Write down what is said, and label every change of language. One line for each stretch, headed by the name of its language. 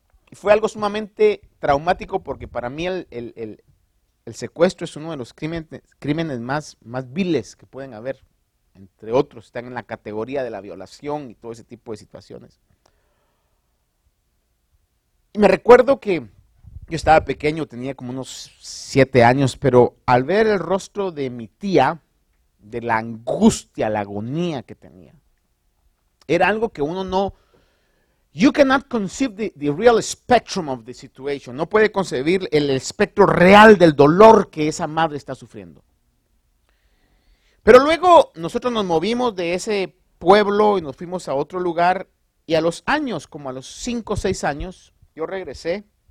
Spanish: Y fue algo sumamente traumático porque para mí el secuestro es uno de los crímenes más viles que pueden haber, entre otros, están en la categoría de la violación y todo ese tipo de situaciones. Y me recuerdo que yo estaba pequeño, tenía como unos 7 años, pero al ver el rostro de mi tía, de la angustia, la agonía que tenía, era algo que uno no...
English: You cannot conceive the real spectrum of the situation.
Spanish: No puede concebir el espectro real del dolor que esa madre está sufriendo. Pero luego nosotros nos movimos de ese pueblo y nos fuimos a otro lugar. Y a los años, como a los 5 o 6 años, yo regresé.